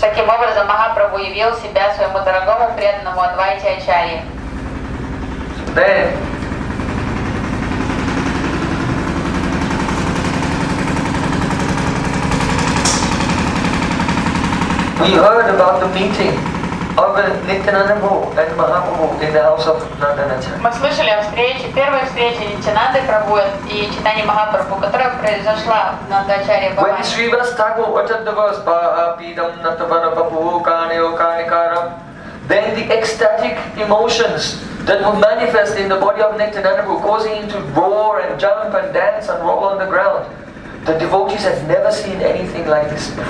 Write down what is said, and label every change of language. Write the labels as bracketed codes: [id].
[ru] Таким образом Махапрабху явил себя своему дорогому преданному Адвайте Ачарье. [en] Then, we heard about the meeting of Nityananda Prabhu and Mahaprabhu in the house of Nandanacharya. [ru] Мы слышали о встрече, первой встрече Нитянанды Прабху и Чайтаньи Махапрабху, которая произошла в Нандачарье Бхаване. [en] When Sri Vas Thakur uttered the verse, Paha Pidam Natavana Papuhu Kaneo Kanikaram, then the ecstatic emotions that were manifest in the body of Nityananda Prabhu, causing him to roar and jump and dance and roll on the ground. The devotees had never seen anything like this